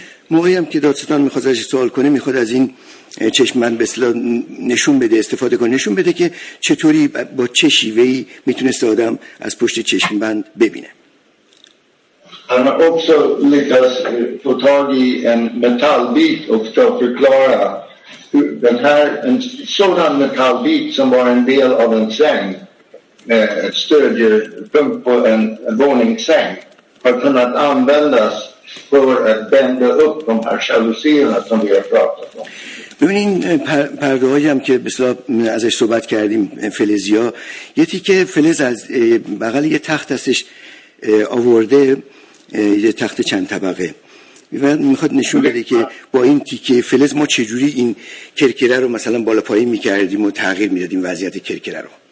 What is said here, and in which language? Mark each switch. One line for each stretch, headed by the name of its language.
Persian: موقعی هم که دادستان میخواد ازش سوال کنه میخواد از این چشم بند به اصطلاح نشون بده استفاده کنه نشون بده که چطوری با چه شیوهی میتونست آدم از پشت چشم بند ببینه.
Swedish: Han har också lyckats få tag i en metallbit och förklara den här en sådan metallbit som var en del av en säng stödjer punkt på en våningssäng har kunnat användas för att bända upp de här jalousierna som vi har pratat om.
Persian: ببین این پرده هایی هم که مثلا ازش صحبت کردیم فلزی ها یه تیکه فلز از بغل یه تخت ازش آورده یه تخت چند طبقه میخواد نشون بده که با این تیکه فلز ما چجوری این کرکره رو مثلا بالا پایی میکردیم و تغییر میدادیم وضعیت کرکره رو.